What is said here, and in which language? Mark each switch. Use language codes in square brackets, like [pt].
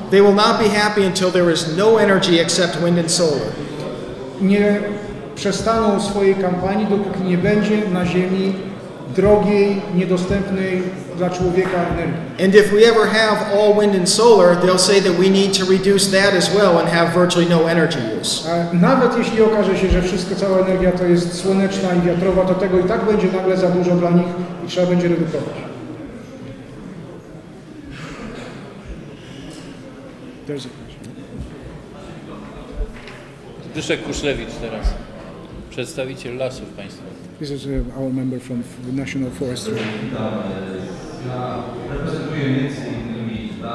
[en] They will not be happy until there is no energy except wind and solar. [pl] Nie przestaną swojej kampanii, dopóki nie będzie na ziemi drogiej, niedostępnej dla człowieka energii. [en] And if we ever have all wind and solar, they'll say that we need to reduce that as well and have virtually no energy use. [pl] Nawet jeśli okaże się, że wszystko, cała energia to jest słoneczna i wiatrowa, to tego i tak będzie nagle za dużo dla nich i trzeba będzie redukować. [en] There's a [pl] Zbyszek Kuszlewicz teraz, przedstawiciel Lasów Państwowych. [en] This is our member from the National Forest. [pl] Ja reprezentuję między innymi Lasy Państwowe.